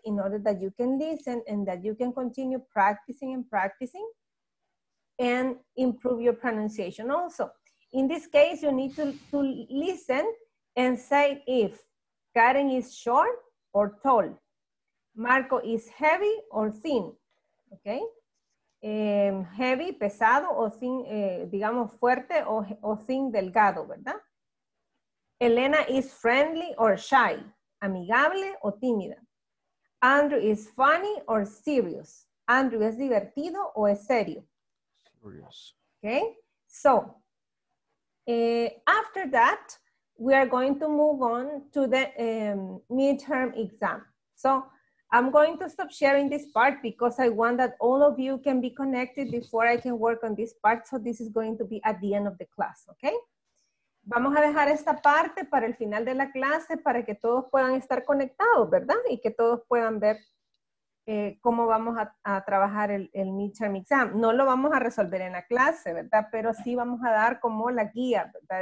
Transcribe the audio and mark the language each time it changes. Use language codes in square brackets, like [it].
[en] In order that you can listen and that you can continue practicing and practicing and improve your pronunciation also. In this case, you need to listen and say if Karen is short or tall, Marco is heavy or thin, okay? [es] Heavy, pesado, o thin, digamos fuerte, o thin, delgado, ¿verdad? [en] Elena is friendly or shy, [es] amigable o tímida. [en] Andrew is funny or serious. [es] Andrew es divertido o es serio. [en] Serious. Okay, so after that, we are going to move on to the midterm exam. So I'm going to stop sharing this part because I want that all of you can be connected before I can work on this part. So this is going to be at the end of the class, okay? [es] Vamos a dejar esta parte para el final de la clase para que todos puedan estar conectados, ¿verdad? Y que todos puedan ver cómo vamos a trabajar el midterm exam. No lo vamos a resolver en la clase, ¿verdad? Pero sí vamos a dar como la guía, ¿verdad?